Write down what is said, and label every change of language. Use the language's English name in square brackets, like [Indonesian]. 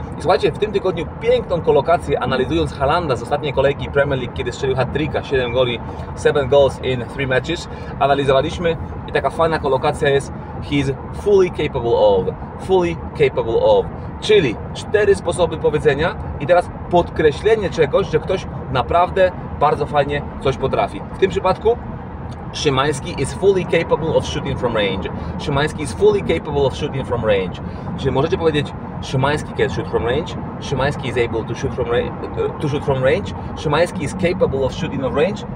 [Polish] I słuchajcie, w tym tygodniu piękną kolokację analizując Haalanda z ostatniej kolejki Premier League, kiedy strzelił hat-tricka, 7 goli, [English] 7 goals in 3 matches, [Polish] analizowaliśmy i taka fajna kolokacja jest [English] he's fully capable of, [Polish] fully capable of. Czyli cztery sposoby powiedzenia i teraz podkreślenie czegoś, że ktoś naprawdę bardzo fajnie coś potrafi. W tym przypadku Szymański [English] is fully capable of shooting from range. Szymański is fully capable of shooting from range. [Polish] Czyli możecie powiedzieć Szymański [English] can shoot from range. Szymański is able to shoot from range. Szymański is capable of shooting from range.